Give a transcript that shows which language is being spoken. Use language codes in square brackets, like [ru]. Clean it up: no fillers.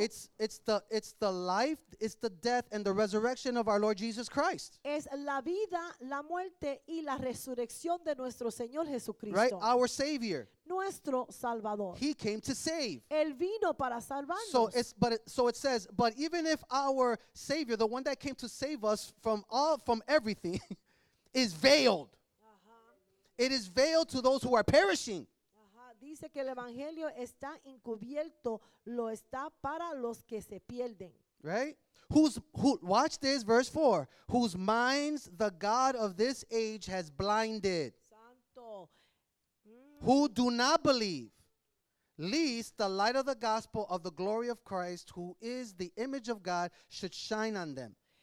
[en] it's the life, it's the death and the resurrection of our Lord Jesus Christ. [es] Es la vida, la muerte y la resurrección de nuestro Señor Jesucristo. [en] Right, our Savior. [es] Nuestro Salvador. [en] He came to save. [es] Él vino para salvarnos. [en] So it says, but even if our Savior, the one that came to save us from everything, is veiled. Uh-huh. It is veiled to those who are perishing. [es] Dice que el evangelio está encubierto, lo está para los que se pierden. [en] Right? Who watch this, verse 4. Whose minds the God of this age has blinded. [es] Santo. [en] Who do not believe, lest the light of the gospel of the glory of Christ, who is the image of God, should shine on them.